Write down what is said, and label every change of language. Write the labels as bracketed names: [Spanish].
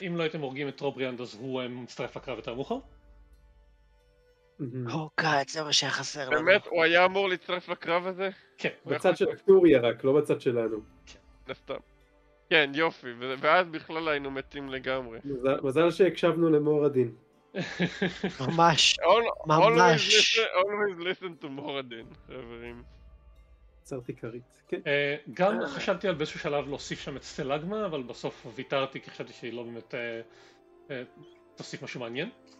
[Hebrew] אם לא הייתם הורגים את רובריאנד, אז הוא מצטרף לקרב יותר מאוחר. או קאט, זה מה שהיה חסר לנו. באמת, הוא היה אמור להצטרף לקרב הזה? כן. בצד של אקטוריה רק, לא בצד שלנו. כן, סתם. כן, יופי, ואז בכלל היינו מתים לגמרי. מזל שהקשבנו למורדין. ממש, ממש. [English] Always listen to מורדין, [Hebrew] חברים. צרתי קרית, כן. גם חשבתי על באיזשהו שלב להוסיף שם את סטלגמה, אבל בסוף ויתרתי כי חשבתי שהיא לא באמת תוסיף משהו מעניין.